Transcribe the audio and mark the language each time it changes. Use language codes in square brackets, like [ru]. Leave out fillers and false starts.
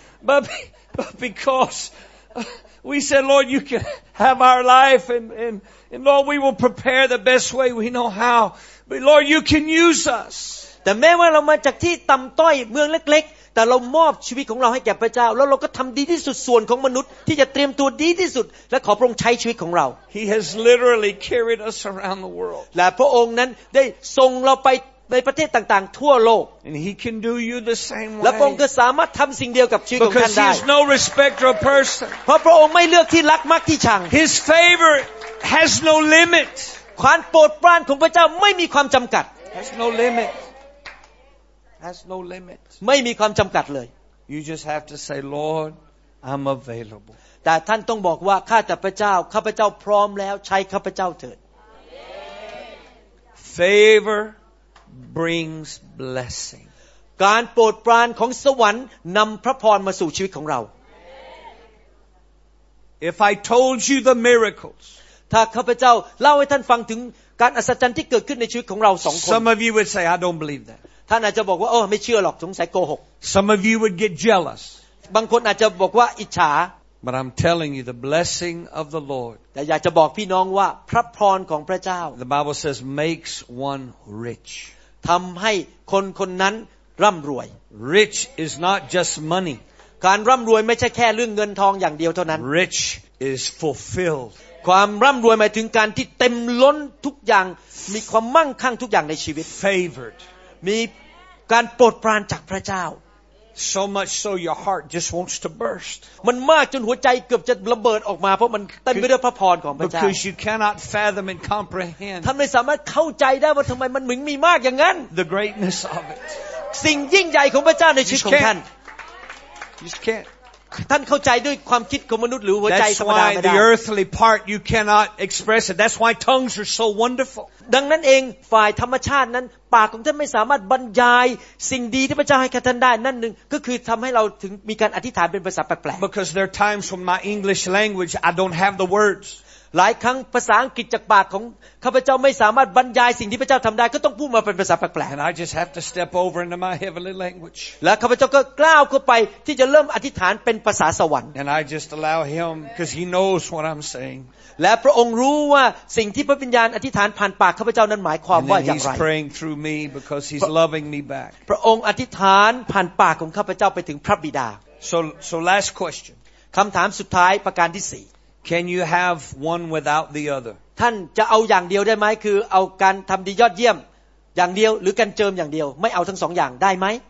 [en] but because we said Lord you can have our life and Lord we will prepare the best way we know how but Lord you can use us [th] แต่แม้ว่าเรามาจากที่ต่ำต้อยเมืองเล็กๆแต่เรามอบชีวิตของเราให้แก่พระเจ้าแล้วเราก็ทำดีที่สุดส่วนของมนุษย์ที่จะเตรียมตัวดีที่สุดและขอพระองค์ใช้ชีวิตของเรา [en] He has literally carried us around the world [th] และพระองค์นั้นได้ส่งเราไปในประเทศต่างๆทั่วโลก [en] And he can do you the same way [th] และพระองค์ก็สามารถทำสิ่งเดียวกับชีวิตของท่านได้ [en] Because he's no respecter of person [th] เพราะพระองค์ไม่เลือกที่รักมักที่ชัง [en] His favor has no limit [th] ความโปรดปรานของพระเจ้าไม่มีความจำกัด [en] Has no limitHas no limit. [th] ไม่มีความจำกัดเลย [en] You just have to say, Lord, I'm available. [th] แต่ท่านต้องบอกว่าข้าแต่พระเจ้าข้าพเจ้าพร้อมแล้วใช้ข้าพเจ้าเถิด [en] Favor brings blessing. [th] การโปรดปรานของสวรรค์นำพระพรมาสู่ชีวิตของเรา [en] If I told you the miracles, [th] ถ้าข้าพเจ้าเล่าให้ท่านฟังถึงการอัศจรรย์ที่เกิดขึ้นในชีวิตของเราสองคน [en] Some of you would say, I don't believe that. [th] ท่านอาจจะบอกว่าโอ้ไม่เชื่อหรอกสงสัยโกหก [en] Some of you would get jealous [th] บางคนอาจจะบอกว่าอิจฉา [en] But I'm telling you the blessing of the Lord [th] แต่อยากจะบอกพี่น้องว่าพระพรของพระเจ้า [en] The Bible says makes one rich [th] ทำให้คนคนนั้นร่ำรวย [en] Rich is not just money [th] การร่ำรวยไม่ใช่แค่เรื่องเงินทองอย่างเดียวเท่านั้น [en] Rich is fulfilled [th] ความร่ำรวยหมายถึงการที่เต็มล้นทุกอย่างมีความมั่งคั่งทุกอย่างในชีวิต [en] favored [th] มีการโปรดปรานจากพระเจ้า [en] so much so your heart just wants to burst [th] มันมากจนหัวใจเกือบจะระเบิดออกมาเพราะมันเต็มไปด้วยพระพรของพระเจ้า [en] because you cannot fathom and comprehend [th] ท่านไม่สามารถเข้าใจได้ว่าทำไมมันถึงมีมากอย่างนั้น [en] the greatness of it [th] สิ่งยิ่งใหญ่ของพระเจ้าในชีวิตของท่าน [en] you just can't [th] ท่านเข้าใจด้วยความคิดของมนุษย์หรือหัวใจธรรมดาไม่ได้ [en] That's why the earthly part you cannot express it that's why tongues are so wonderful [th] ดังนั้นเองฝ่ายธรรมชาตินั้นปากของท่านไม่สามารถบรรยายสิ่งดีที่พระเจ้าให้แก่ท่านได้นั่นหนึ่งก็คือทำให้เราถึงมีการอธิษฐานเป็นภาษาแปลก [en] ๆ Because there are times when my English language I don't have the words [th] หลายครั้งภาษาอังกฤษจากปากของข้าพเจ้าไม่สามารถบรรยายสิ่งที่พระเจ้าทำได้ก็ต้องพูดมาเป็นภาษาแปลกๆ [en] And I just have to step over into my heavenly language [th] และข้าพเจ้าก็กล้าวเข้าไปที่จะเริ่มอธิษฐานเป็นภาษาสวรรค์ [en] And I just allow him because he knows what I'm saying [th] และพระองค์รู้ว่าสิ่งที่พระวิญญาณอธิษฐานผ่านปากข้าพเจ้านั้นหมายความว่าอย่างไร [en] He's praying through me because he's loving me back [th] พระองค์อธิษฐานผ่านปากของข้าพเจ้าไปถึงพระบิดา [en] So last question [th] คำถามสุดท้ายประการที่4 [en] Can you have one without the other [th] ท่านจะเอาอย่างเดียวได้ไหมคือเอาการทำดียอดเยี่ยมอย่างเดียวหรือการเจิมอย่างเดียวไม่เอาทั้งสองอย่างได้ไหม